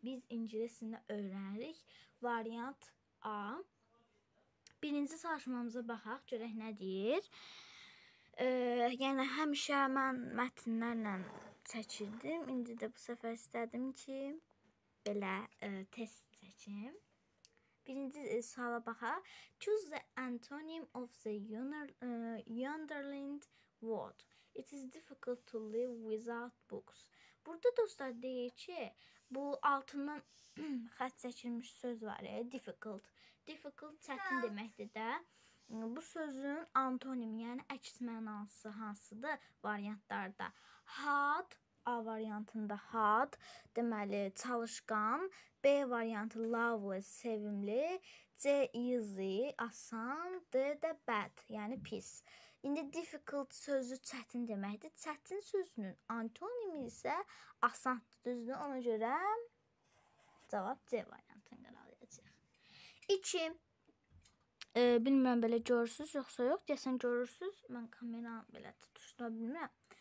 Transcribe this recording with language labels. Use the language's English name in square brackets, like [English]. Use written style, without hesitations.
[Azerbaijani] Biz ingilisini öyrənirik. Variant A. Birinci çalışmamıza baxaq, görək nə deyir. Yəni həmişə mən mətnlərlə çəkirdim. İndi də bu səfər istədim ki, belə test çəkim. Birinci suala baxaq. [English] Choose the antonym of the underlined word. It is difficult to live without books. [Azerbaijani] Burada dostlar deyir ki, bu altından xətt çəkilmiş söz var ya, difficult. Difficult çətin deməkdir də. Bu sözün antonim, yəni əks mənası hansıdır variantlarda? Hard, A variantında hard, deməli çalışqan. B variantı lovely, sevimli. C easy, asan. D də bad, yəni pis. İndi difficult sözü çətin deməkdir. Çətin sözünün antonimi isə asandır, düzdür. Ona görə cavab C variantını qaralayacaq. 2. Bilmirəm belə görürsüz, yoxsa yox. Deyəsən görürsüz, mən kamera belə tutuşdura bilmirəm.